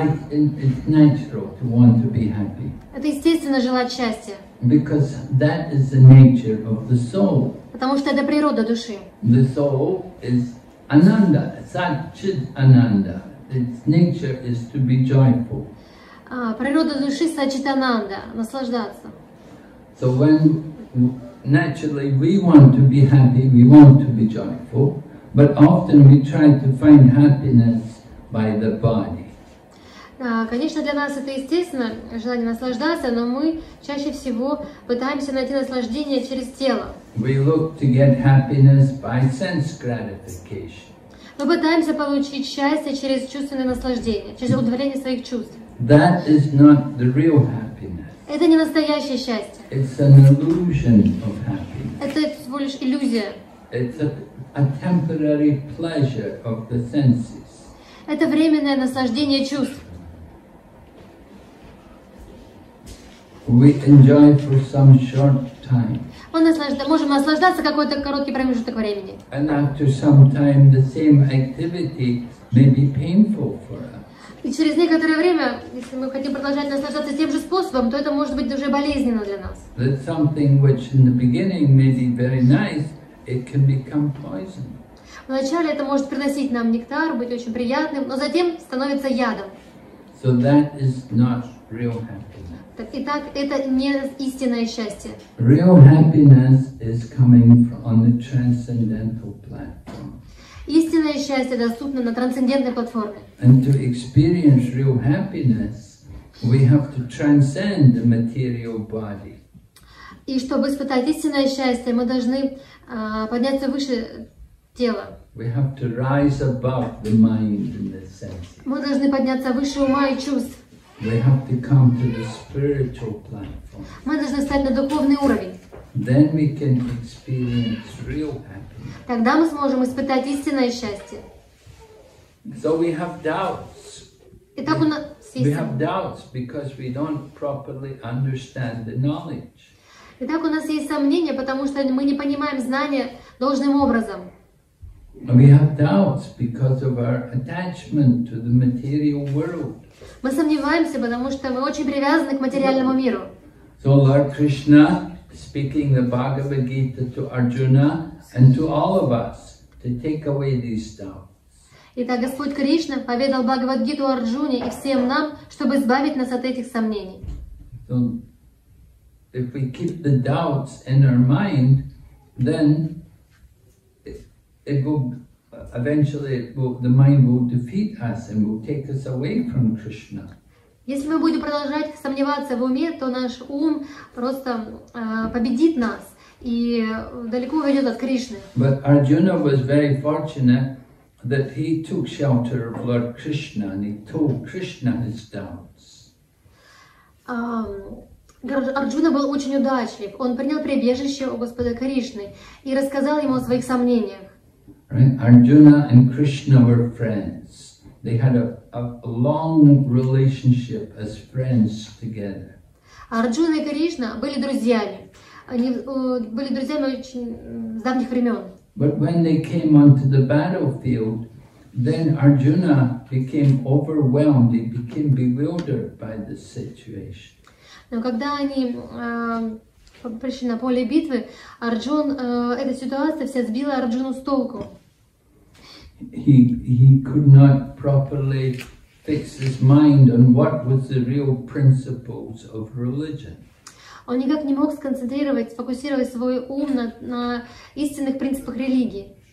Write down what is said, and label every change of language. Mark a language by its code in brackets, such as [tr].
[ru] Это естественно желать счастья. [en] Because that is the nature of the soul. [ru] Потому что это природа души. [en] The soul is ananda, satchit ananda. Its nature is to be joyful. [ru] Природа души сачитананда, наслаждаться. [en] So when naturally we want to be happy, we want to be joyful, but often we try to find happiness by the body. [ru] Конечно, для нас это естественно, желание наслаждаться, но мы чаще всего пытаемся найти наслаждение через тело. [en] We look to get happiness by sense gratification. [ru] Мы пытаемся получить счастье через чувственное наслаждение, через удовлетворение своих чувств. [en] That is not the real happiness. [ru] Это не настоящее счастье. [en] It's an illusion of happiness. [ru] Это всего лишь иллюзия. [en] It's a temporary pleasure of the senses. [ru] Это временное наслаждение чувств. [en] We enjoy for some short time. [ru] Мы можем наслаждаться какой-то короткий промежуток времени. [en] And after some time, the same activity may be painful for us. [ru] И через некоторое время, если мы хотим продолжать наслаждаться тем же способом, то это может быть уже болезненно для нас. [en] That's something which in the beginning may be very nice, it can become poison. [ru] Вначале это может приносить нам нектар, быть очень приятным, но затем становится ядом. [en] So that is not real happiness. [ru] Итак, это не истинное счастье. [en] Real happiness is coming on the transcendental platform. [ru] Истинное счастье доступно на трансцендентной платформе. [en] And to experience real happiness, we have to transcend the material body. [ru] И чтобы испытать истинное счастье, мы должны подняться выше тела. [en] We have to rise above the mind and the senses. [ru] Мы должны подняться выше ума и чувств. [en] We have to come to the spiritual platform. [ru] Мы должны встать на духовный уровень. [en] Then we can experience real happiness. [ru] Тогда мы сможем испытать истинное счастье. [en] So we have doubts. [ru] Итак, [en] we have doubts because we don't properly understand the knowledge. [ru] Итак, у нас есть сомнения, потому что мы не понимаем знания должным образом. [en] We have doubts because of our attachment to the material world. [ru] Мы сомневаемся, потому что мы очень привязаны к материальному миру. [en] So Lord Krishna speaking the Bhagavad Gita to Arjuna and to all of us to take away these doubts. [ru] Итак, Господь Кришна поведал Бхагавад-гиту Арджуне и всем нам, чтобы избавить нас от этих сомнений. [en] So, if we keep the doubts in our mind, then the mind will defeat us and will take us away from Krishna. [ru] Если мы будем продолжать сомневаться в уме, то наш ум просто победит нас и далеко уйдет от Кришны. [en] But Arjuna was very fortunate that he took shelter of Lord Krishna and he told Krishna his doubts. [ru] Арджуна был очень удачлив. Он принял прибежище у Господа Кришны и рассказал ему о своих сомнениях. [en] Right? Arjuna and Krishna were friends. They had a long relationship as friends together. [ru] Арджуна и Кришна были друзьями. Они были друзьями очень с давних времен. [en] But when they came onto the battlefield, then Arjuna became overwhelmed. He became bewildered by the situation. [ru] Но когда они пришли на поле битвы, эта ситуация вся сбила Арджуну с толку. [en] He could not properly fix his mind on what was the real principles of religion. [ru] Он никак не мог сфокусировать свой ум на истинных принципах религии.